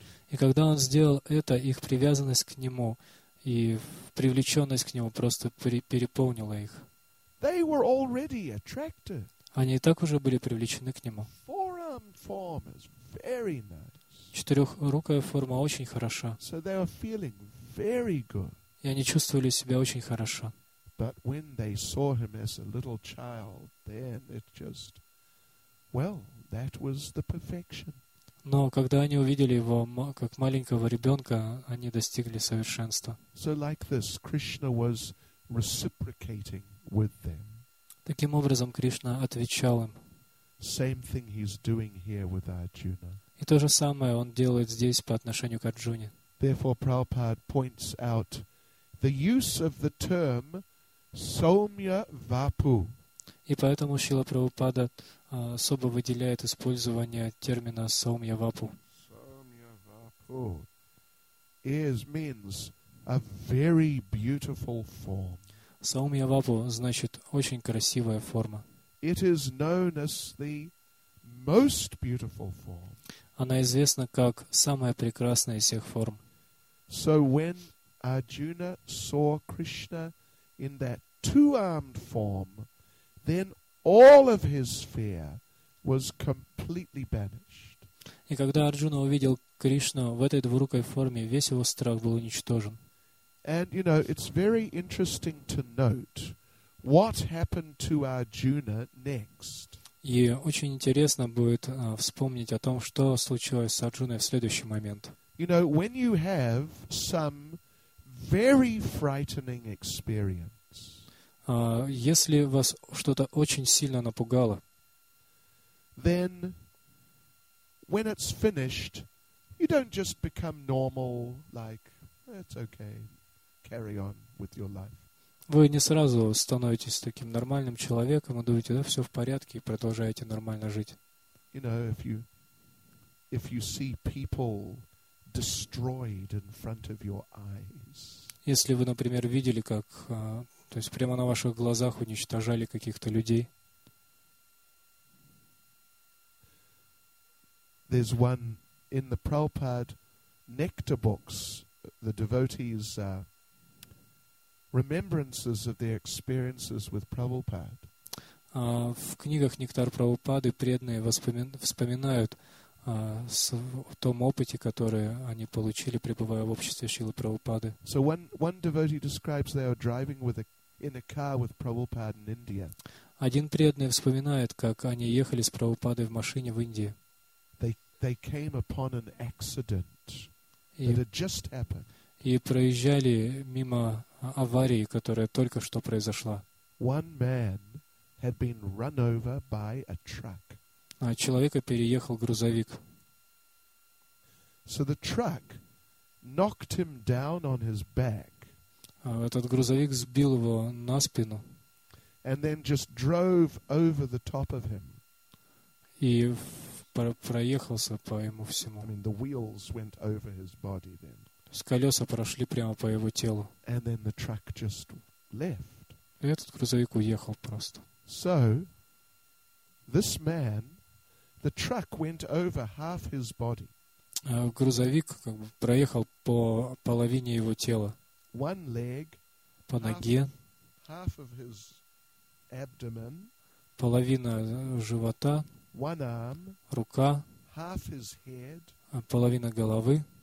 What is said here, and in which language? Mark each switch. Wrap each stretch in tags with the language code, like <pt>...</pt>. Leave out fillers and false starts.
<ru>и когда он сделал это, их привязанность к нему и привлеченность к нему просто переполнила их.</ru> <en>They were already attracted.</en> <ru>Они и так уже были привлечены к нему.</ru> <en>Four-armed form is very nice.</en> <ru>Четырехрукая форма очень хороша.</ru> <en>So they were feeling very good.</en> <ru>И они чувствовали себя очень хорошо.</ru> <en>But when they saw him as a little child, then it just, well, that was the perfection.</en> <ru>Но когда они увидели его как маленького ребенка, они достигли совершенства.</ru> <en>So like this, Krishna was reciprocating with them.</en> <ru>Таким образом, Кришна отвечал им.</ru> <en>Same thing he's doing here with Arjuna.</en> <ru>И то же самое он делает здесь по отношению к Арджуне.</ru> <en>Therefore, Prabhupada points out the use of the term Soumya Vapu.</en> <ru>И поэтому Шрила Прабхупада особо выделяет использование термина Soumya Vapu.</ru> <en>Soumya Vapu means a very beautiful form.</en> <ru>Soumya Vapu значит очень красивая форма.</ru> <en>It is known as the most beautiful form.</en> <ru>Она известна как самая прекрасная из всех форм.</ru> <en>So when Arjuna saw Krishna in that two-armed form, then all of his fear was completely banished.</en> <ru>И когда Арджуна увидел Кришну в этой двурукой форме, весь его страх был уничтожен.</ru> <en>And you know, it's very interesting to note what happened to Arjuna next.</en> <ru>И очень интересно будет вспомнить о том, что случилось с Арджуной в следующий момент.</ru> <en>You know, when you have some very frightening experience,</en> <ru>если вас что-то очень сильно напугало,</ru> <en>then, when it's finished, you don't just become normal, like, it's okay, carry on with your life.</en> <ru>вы не сразу становитесь таким нормальным человеком и думаете, да, все в порядке, и продолжаете нормально жить.</ru> <en>You know, if you see people destroyed in front of your eyes.</en> <ru>Если вы, например, видели, как, то есть прямо на ваших глазах уничтожали каких-то людей.</ru> <en>There's one in the Prabhupada nectar books, the devotees' remembrances of their experiences with Prabhupada.</en> <ru>В книгах «Нектар Прабхупады» преданные вспоминают о том опыте, который они получили, пребывая в обществе Шрилы Прабхупады.</ru> <en>So one devotee describes they are driving in a car with Prabhupada in India.</en> <ru>Один преданный вспоминает, как они ехали с Прабхупадой в машине в Индии.</ru> <en>They came upon an accident that had just happened.</en> <ru>И проезжали мимо аварии, которая только что произошла.</ru> <en>One man had been run over by a truck.</en> <ru>А человека переехал грузовик.</ru> <en>So the truck knocked him down on his back.</en> <ru>А этот грузовик сбил его на спину.</ru> <en>And then just drove over the top of him.</en> <ru>И проехался по ему всему.</ru> <en>I mean, the wheels went over his body then.</en> <ru>То есть колеса прошли прямо по его телу.</ru> <en>And then the truck just left.</en> <ru>И этот грузовик уехал просто.</ru> <en>So, this man, the truck went over half his body.</en> <ru>Грузовик как бы проехал по половине его тела.</ru> <en>One leg,</en> <ru>по ноге.</ru> <en>Half of his abdomen.</en> <ru>Половина живота.</ru> <en>One arm,</en> <ru>рука,</ru> <en>half his head,</en> <ru>половина головы,</ru>